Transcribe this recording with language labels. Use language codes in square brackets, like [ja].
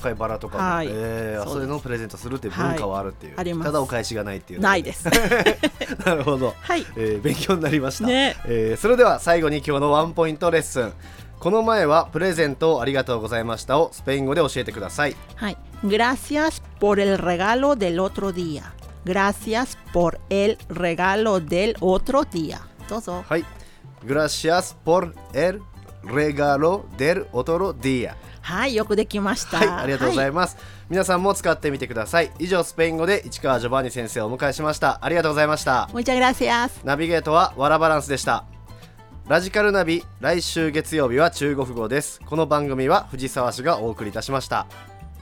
[ja] 赤いバラとかも、はい、それのプレゼントするっていう文化はあるっていう、はい、あります。ただお返しがないっていう、ね、ないです。なるほど、はい、勉強になりました、ね。それでは最後に今日のワンポイントレッスン。この前はプレゼントをありがとうございましたをスペイン語で教えてください。はい。 [es] Gracias por el regalo del otro día. Gracias por el regalo del otro día. [ja] どうぞ。はい。 [es] Gracias por el regalo del otro día. [ja] はい、よくできました。はい、ありがとうございます、はい。皆さんも使ってみてください。以上、スペイン語で市川ジョバンニ先生をお迎えしました。ありがとうございました。 [es] Muchas gracias。 [ja] ナビゲートはワラバランスでした。ラジカルナビ、来週月曜日は中国語です。この番組は藤沢氏がお送りいたしました。